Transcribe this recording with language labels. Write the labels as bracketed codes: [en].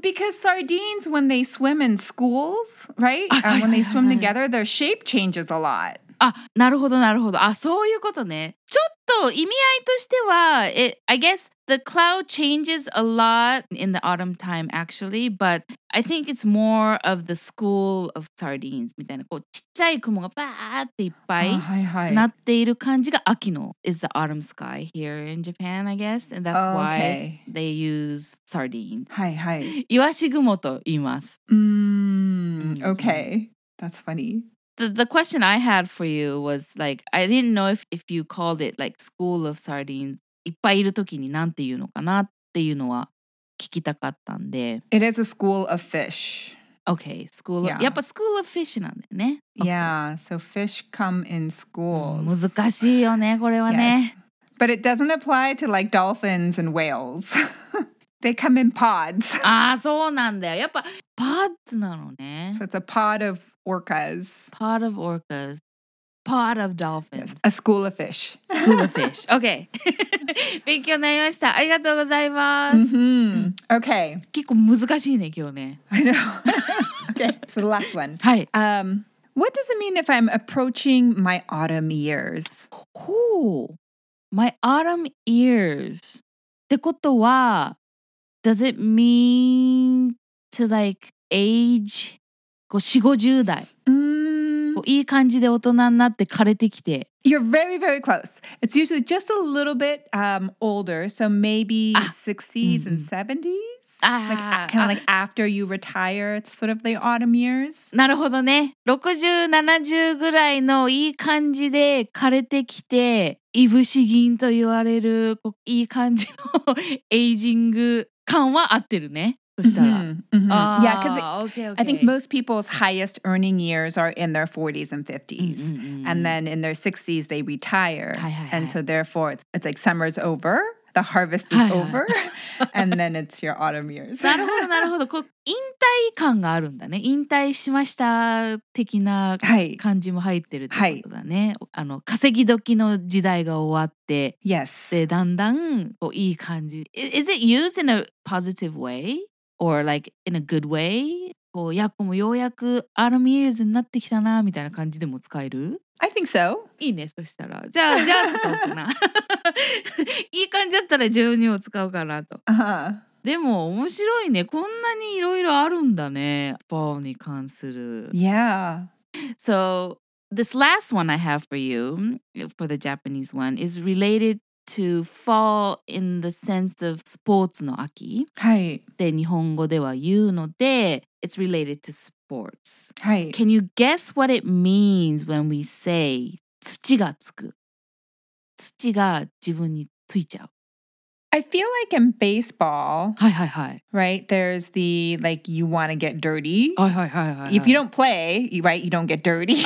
[en] Because sardines, when they swim in schools, right? When they swim together, their shape changes a lot. [ja] Ah, なるほど、なるほど。あ、そういうことね。ちょっと意味合いとしては、 [en] I guess... The cloud changes a lot in the autumn time, actually, but I think it's more of the school of sardines. [ja] みたいな、こうちっちゃい雲がバーっていっぱいなっている感じが秋の [en] is the autumn sky here in Japan, I guess. And that's why they use sardines. [ja] はいはい。イワシ雲と言います。 [en] Okay. That's funny. The question I had for you was like, I didn't know if you called it like school of sardines. [ja] いっぱいいるときになんて言うのかなっていうのは聞きたかったんで。 [en] It is a school of fish. Okay, school. Yeah. [ja] やっぱ [en] school of fish [ja] なんだよね。 [en] Okay. Yeah, so fish come in schools. [ja] 難しいよね、これはね。 [en] Yes. But it doesn't apply to like dolphins and whales. They come in pods. [ja] ああ、そうなんだよ。やっぱ、pods なのね。 [en] So it's a pod of orcas. Pod of orcas. Pod of dolphins. A school of fish. School of fish. Okay. [ja] 勉強になりました。ありがとうございます。 [en] Mm-hmm. Okay. [ja] 結構難しいね、今日ね。 [en] I know. Okay, so the last one. [ja] はい。 [en] What does it mean if I'm approaching my autumn years? Ooh, my autumn years. [ja] ってことは、 [en] does it mean to like age? [ja] こう、4、50代。 Mm. こういい感じで大人になって枯れてきて。 [en] You're very, very close. It's usually just a little bit older, so maybe 60s and 70s. Like, kind of like after you retire, it's sort of the autumn years. [ja] なるほどね。 60、70ぐらいのいい感じで枯れてきて、いぶし銀と言われるいい感じのエイジング感は合ってるね。そしたら。 [en] Yeah, because I think most people's highest earning years are in their 40s and 50s. And then in their 60s, they retire. And so therefore, it's like summer's over. The harvest is over, and then it's your autumn years. [ja] なるほど、なるほど。こう、引退感があるんだね。引退しました的な感じも入ってるってことだね。はい、あの稼ぎ時の時代が終わって、 [en] yes. [ja] で、だんだんこういい感じ。 [en] Is it used in a positive way? Or like in a good way? [ja] こうやっこもようやくアルミエーズになってきたなみたいな感じでも使える [en] I think so. [ja] いいね、そしたら。じゃあ使おうかな。いい感じだったら自分にも使おうかなと。 Uh-huh. でも面白いね。こんなにいろいろあるんだね。パオに関する。 [en] Yeah. So, this last one I have for you, for the Japanese one, is related to fall in the sense of sports [ja] の秋。はい。で、日本語では言うので、 [en] It's related to sports. Hi. Can you guess what it means when we say 土がつく? [ja] 土が自分についちゃう。 [en] I feel like in baseball, [ja] はいはいはい。 [en] right, there's the, like, you want to get dirty. [ja] はいはいはいはい。 [en] If you don't play, right, you don't get dirty.